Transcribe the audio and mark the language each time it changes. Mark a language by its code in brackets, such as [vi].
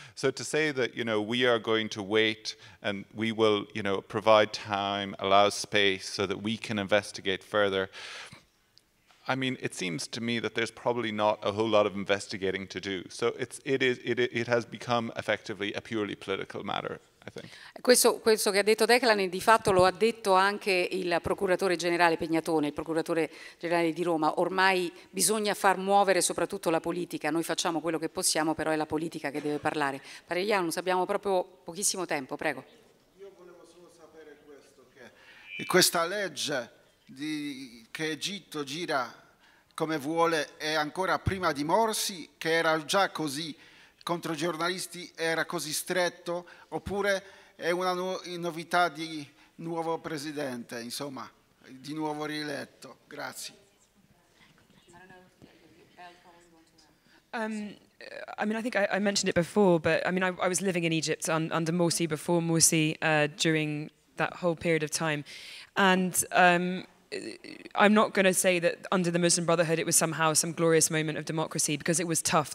[en] So to say that, you know, we are going to wait and we will, you know, provide time, allow space so that we can investigate further, I mean, it seems to me that there's probably not a whole lot of investigating to do. So it has become effectively a purely political matter, I think. [it] Questo che ha detto Declan, di fatto lo ha detto anche il procuratore generale Pignatone, il procuratore generale di Roma. Ormai bisogna far muovere soprattutto la politica. Noi facciamo quello che possiamo, però è la politica che deve parlare. Parigliano, abbiamo proprio pochissimo tempo, prego. Io volevo solo sapere questo, che questa legge che Egitto gira come vuole è ancora prima di Morsi, che era già così contro i giornalisti, era così stretto, oppure è una novità di nuovo presidente, insomma, di nuovo rieletto. Grazie. [en] I mean, I think I mentioned it before, but I mean, I was living in Egypt under Morsi, before Morsi, during that whole period of time, and I'm not going to say that under the Muslim Brotherhood it was somehow some glorious moment of democracy, because it was tough.